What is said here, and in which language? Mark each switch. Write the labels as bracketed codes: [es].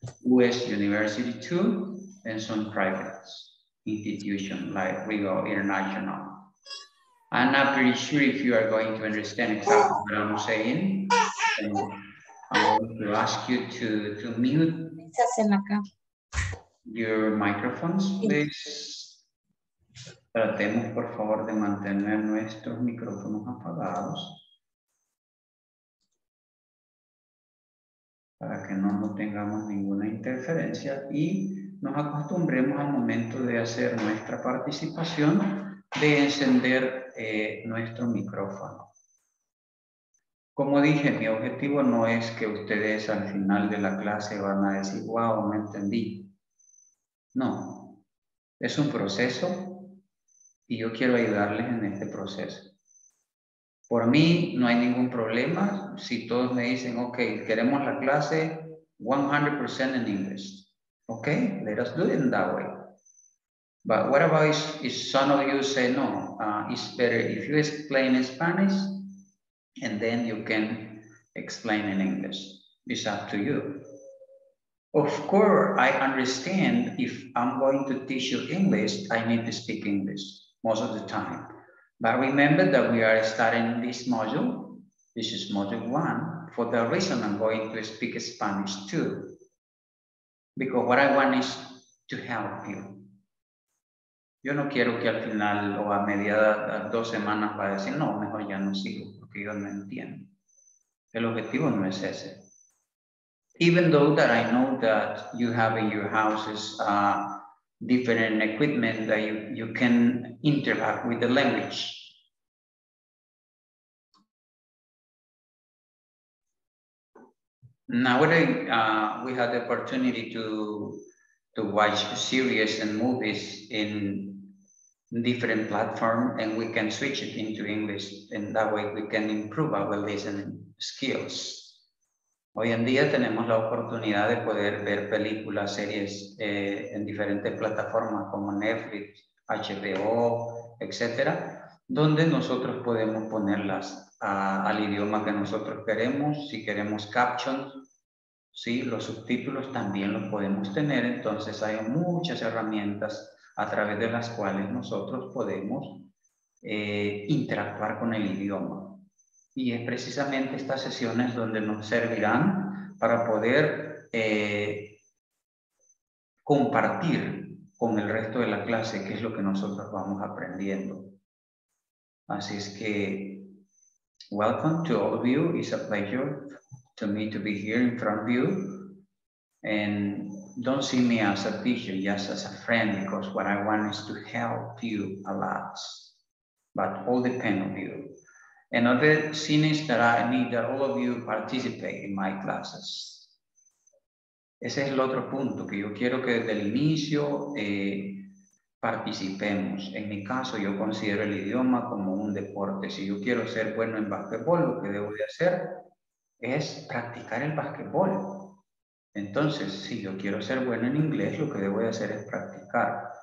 [en] US University too, and some private institutions like RIGO International. I'm not pretty sure if you are going to understand exactly what I'm saying. I want to ask you to mute your microphones, please. [es] Tratemos, por favor, de mantener nuestros micrófonos apagados para que no tengamos ninguna interferencia y nos acostumbremos al momento de hacer nuestra participación de encender nuestro micrófono. Como dije, mi objetivo no es que ustedes al final de la clase van a decir, wow, me entendí. No, es un proceso y yo quiero ayudarles en este proceso. Por mí no hay ningún problema si todos me dicen, ok, queremos la clase 100% en inglés. [en] Ok, let us do it in that way. But what about if some of you say no? It's better if you explain in Spanish and then you can explain in English. It's up to you. Of course, I understand if I'm going to teach you English, I need to speak English most of the time. But remember that we are starting this module. This is module one. For that reason, I'm going to speak Spanish too. Because what I want is to help you. [es] Yo no quiero que al final o a mediada a dos semanas vaya a decir, no, mejor ya no sigo, porque yo no entiendo. El objetivo no es ese. [en] Even though that I know that you have in your houses different equipment that you can interact with the language. Nowadays, we had the opportunity to watch series and movies in different platform, and we can switch it into English, and that way we can improve our listening skills. [es] Hoy en día tenemos la oportunidad de poder ver películas, series en diferentes plataformas como Netflix, HBO, etc., donde nosotros podemos ponerlas al idioma que nosotros queremos. Si queremos captions, ¿sí? Los subtítulos también los podemos tener. Entonces hay muchas herramientas a través de las cuales nosotros podemos interactuar con el idioma. Y es precisamente estas sesiones donde nos servirán para poder compartir con el resto de la clase qué es lo que nosotros vamos aprendiendo. Así es que, [en] welcome to all of you. It's a pleasure to me to be here in front of you. And don't see me as a teacher, just as a friend, because what I want is to help you a lot. But all depend on you. Another thing is that I need that all of you participate in my classes. [es] Ese es el otro punto, que yo quiero que desde el inicio participemos. En mi caso, yo considero el idioma como un deporte. Si yo quiero ser bueno en basquetbol, lo que debo de hacer es practicar el basquetbol. Entonces, si yo quiero ser bueno en inglés, lo que debo de hacer es practicar.